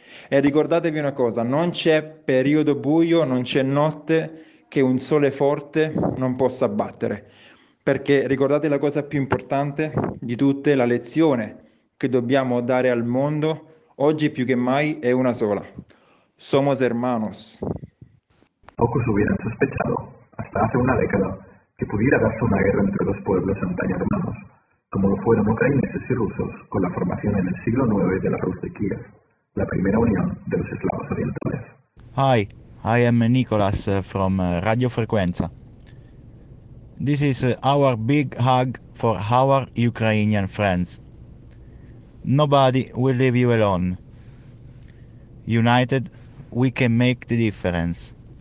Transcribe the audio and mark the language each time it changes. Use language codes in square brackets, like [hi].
[it] E ricordatevi una cosa, non c'è periodo buio, non c'è notte che un sole forte non possa battere. Perché ricordate la cosa più importante di tutte, la lezione che dobbiamo dare al mondo, oggi più che mai è una sola. [es] Somos hermanos. Poco su hubieran sospechado, hasta hace una década, que pudiera darse una guerra entre dos pueblos en talla de manos, como lo fueron ucranieses y rusos con la formación en el siglo IX de la Rus de Kiev, la primera unión de los eslavos orientales. [en] Hi, I am Nicolas from Radio Frequenza. This is our big hug for our Ukrainian friends. Nobody will leave you alone. United, we can make the difference.